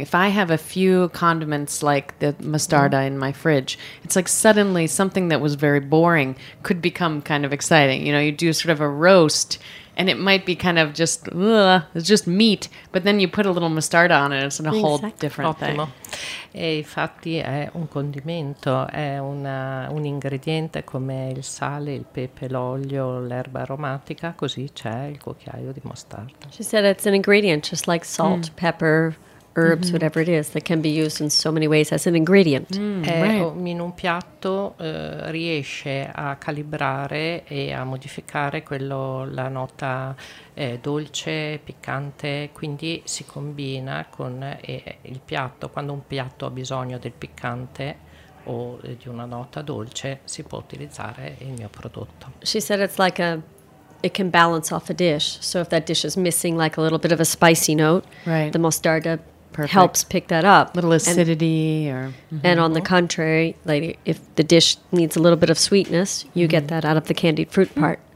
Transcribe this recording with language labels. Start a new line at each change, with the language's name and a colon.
English: If I have a few condiments like the mostarda in my fridge, it's like suddenly something that was very boring could become kind of exciting. You know, you do sort of a roast and it might be kind of just, it's just meat, but then you put a little mostarda on it and it's a whole different
Italian: Ottimo.
English: Thing.
Italian: E infatti è un condimento, è un ingrediente come il sale, il pepe, l'olio, l'erba aromatica, così c'è il cucchiaio di mostarda.
English: She said it's an ingredient, just like salt, pepper, herbs, whatever it is, that can be used in so many ways as an ingredient.
Italian: In un piatto riesce a calibrare e a modificare la nota dolce, piccante, quindi si combina con il piatto. Quando un piatto ha bisogno del piccante o di una nota dolce, si può utilizzare il mio prodotto.
English: She said it's like it can balance off a dish. So if that dish is missing like a little bit of a spicy note, right, the mostarda helps pick that up. A little acidity And on the contrary, like if the dish needs a little bit of sweetness, you get that out of the candied fruit part.